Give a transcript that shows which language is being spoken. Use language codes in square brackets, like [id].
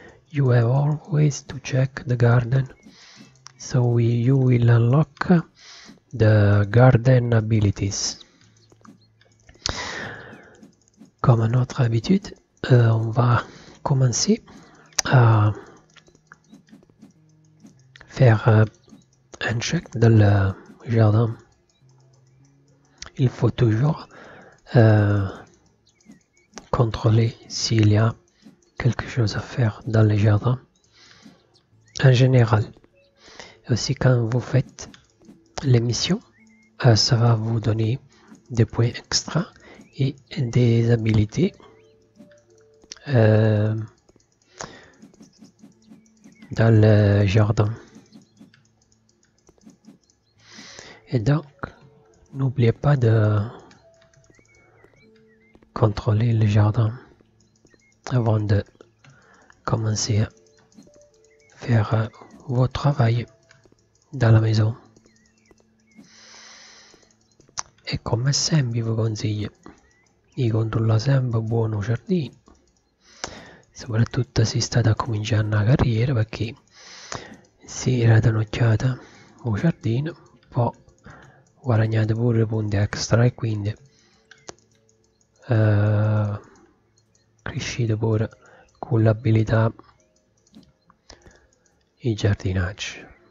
[en] You have always to check the garden, so you will unlock the garden abilities. [fr] Comme notre habitude, on va commencer à faire un check dans le jardin. Il faut toujours contrôler s'il y a quelque chose à faire dans le jardin. En général, aussi quand vous faites les missions, ça va vous donner des points extra et des habilités dans le jardin. Et donc, n'oubliez pas de contrôler le jardin avant de commencer à faire votre travail dans la maison. [it] E come sempre vi consiglio di controllare sempre buono giardino, soprattutto se state cominciando la carriera, perché se date un'occhiata al giardino poi guadagnate pure punti extra e quindi crescete pure con l'abilità il giardinaggio.